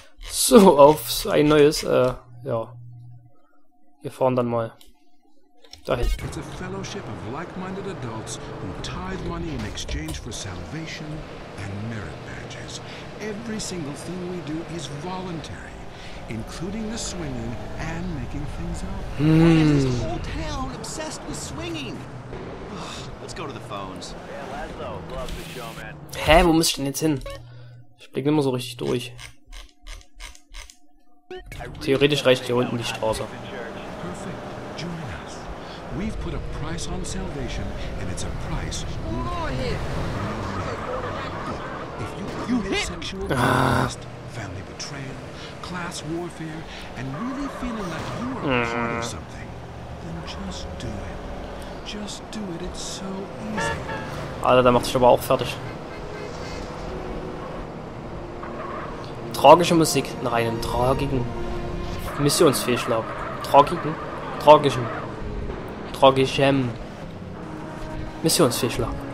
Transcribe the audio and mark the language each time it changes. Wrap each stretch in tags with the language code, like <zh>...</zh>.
<de>So, auf ein neues, ja. Wir fahren dann mal dahin.</de> <en>It's a fellowship of like-minded adults who tithe money in exchange for salvation and merit badges. Every single thing we do is voluntary. Including the swinging and making things up. Why is this whole town obsessed with swinging? Let's go to the phones. Yeah, Laszlo, love the show, man.</en> <de>Hä, wo muss ich denn jetzt hin? Ich blick nicht mehr so richtig durch. Theoretisch reicht hier unten die Straße.</de> <en>Perfect. Join us. We've put a price on salvation, and it's a price if you hit sexual contest, family betrayal, class warfare, and really feeling like you are part of something, then just do it. Just do it, it's so easy.</en> <de>Alter, da macht sich aber auch fertig. Tragische Musik. Nach einem tragigen Missionsfehlschlag. Tragigen? Tragischen. Tragischem. Missionsfehlschlag.</de>